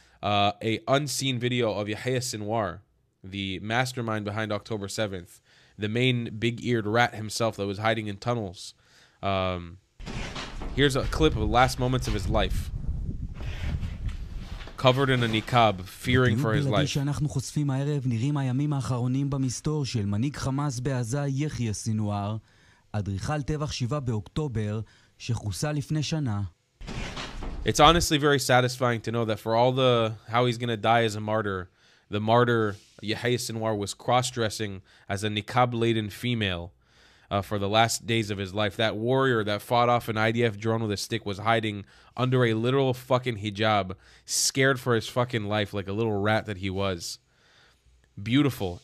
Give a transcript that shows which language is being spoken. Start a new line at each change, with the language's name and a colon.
English: A unseen video of Yahya Sinwar, the mastermind behind October 7th, the main big-eared rat himself that was hiding in tunnels. Here's a clip of the last moments of his life. Covered in a niqab, fearing for his life.
Hebrew: שאנחנו חושפים הערב נראים הימים האחרונים במסתור של מנהיג חמאס בעזה יחיא סינואר, אדריכל טבח 7 באוקטובר שחוסה לפני שנה.
English: It's honestly very satisfying to know that for all the how he's going to die as a martyr, the martyr Yahya Sinwar was cross-dressing as a niqab-laden female for the last days of his life. That warrior that fought off an IDF drone with a stick was hiding under a literal fucking hijab, scared for his fucking life like a little rat that he was. Beautiful.